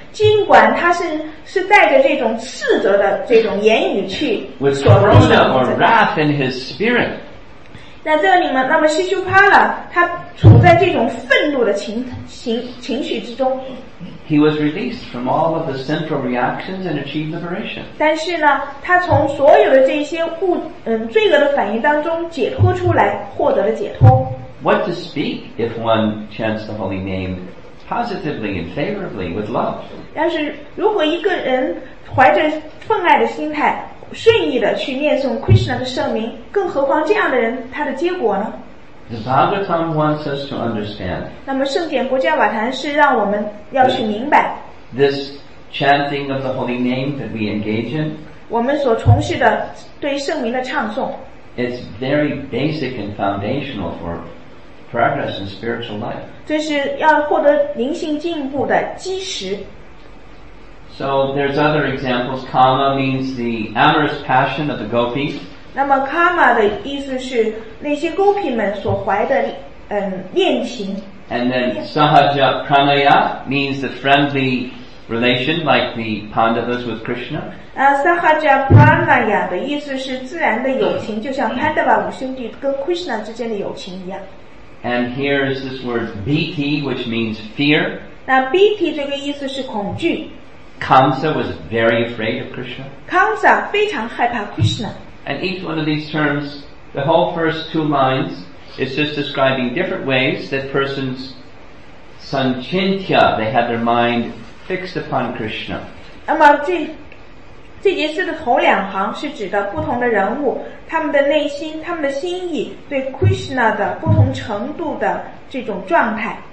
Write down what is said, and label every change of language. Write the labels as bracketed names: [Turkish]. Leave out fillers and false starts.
[Chinese] 尽管他是带着这种斥责的这种言语去。 [English] With corona or wrath in his spirit. [Chinese] 那这里面，那么西修帕拉他处在这种愤怒的 情绪之中。 [English] He was released from all of the central reactions and achieved liberation. [Chinese] 但是呢，他从所有的这些罪恶的反应当中解脱出来，获得了解脱。 [English] What to speak if one chants the holy name positively and favorably with love? [Chinese] 但是如果一个人怀着奉爱的心态，顺意的去念诵 Krishna 的圣名，更何况这样的人，他的结果呢？ [English] The Bhagavatam wants us to understand. [Chinese] 那么圣简国家瓦坛是让我们要去明白。 [English] This chanting of the holy name that we engage in. [Chinese] 我们所从事的对圣名的唱诵。 [English] It's very basic and foundational for progress in spiritual life. [Chinese] 这是要获得灵性进步的基石。 [English] So there's other examples. Kama means the amorous passion of the gopis. [Chinese] 那么 Kama 的意思是那些 gopi 们所怀的恋情。 [English] And then Sahaja Pranaya means the friendly relation like the Pandavas with Krishna. [Chinese] Sahaja Pranaya 的意思是自然的友情，就像 Pandava 五兄弟跟 Krishna 之间的友情一样。 [English] And here is this word Bhiti, which means fear. [Chinese] 那 Bhiti 这个意思是恐惧。 [English] Kamsa was very afraid of Krishna. [Chinese] Kamsa 非常害怕 Krishna. [English] And each one of these terms, the whole first two lines, is just describing different ways that persons sanchintya, they had their mind fixed upon Krishna. [Chinese] 那么这节诗的头两行是指的不同的人物，他们的内心，他们的心意对 Krishna 的不同程度的这种状态。